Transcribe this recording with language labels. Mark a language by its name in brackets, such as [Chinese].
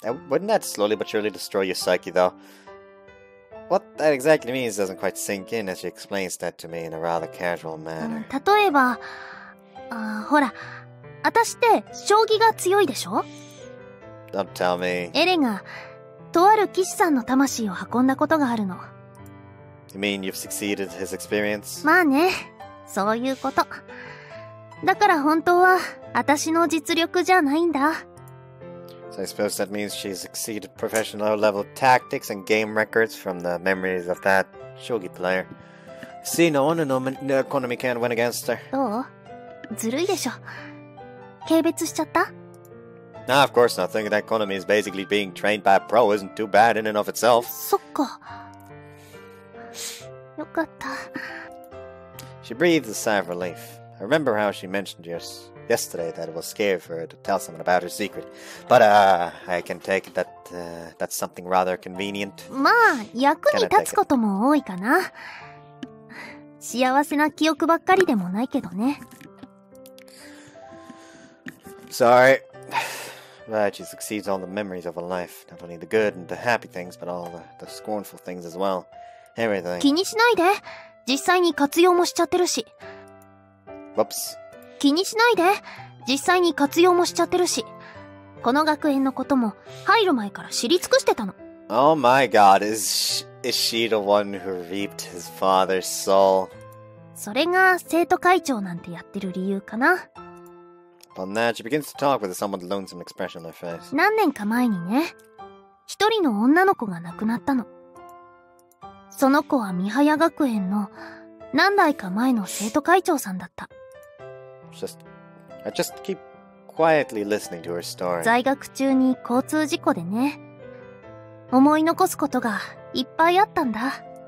[English] Wouldn't that slowly but surely destroy your psyche, though? What that exactly means doesn't quite sink in as she explains that to me in a rather casual manner. [Japanese] 例えば、ほら、私って将棋が強いでしょ? [English] Don't tell me. [Japanese] エレンが、とある騎士さんの魂を運んだことがあるの。 [English] You mean you've succeeded his experience? [Japanese] まあね、そういうこと。だから本当は、私の実力じゃないんだ。 [English] So I suppose that means she's exceeded professional level tactics and game records from the memories of that shogi player. See, no one in the economy can't win against her. [Japanese] どう?ずるいでしょ?軽蔑しちゃった? [English] Nah, of course not. Thinking that Konami is basically being trained by a pro isn't too bad in and of itself. [Japanese] そっか。よかった。 [English] She breathed a sigh of relief. I remember how she mentioned yesterday that it was scary for her to tell someone about her secret. But, I can take that, that's something rather convenient. [Japanese] まあ、役に立つことも多いかな。幸せな記憶ばっかりでもないけどね。 [English] Sorry. Right, she succeeds all the memories of her life. Not only the good and the happy things, but all the scornful things as well. Everything. [Japanese] 気にしないで。実際に活用もしちゃってるし。 [English] Whoops. [Japanese] 気にしないで。実際に活用もしちゃってるし。この学園のことも入る前から知り尽くしてたの。 [English] Oh my god, is she the one who reaped his father's soul? [Japanese] それが生徒会長なんてやってる理由かな。 [English] Upon that, she begins to talk with a somewhat lonesome expression on her face. [Japanese] 何年か前にね、一人の女の子が亡くなったの。その子はミハヤ学園の何代か前の生徒会長さんだった。 [English] I just keep quietly listening to her story. [Japanese] 在学中に交通事故でね、思い残すことがいっぱいあったんだ。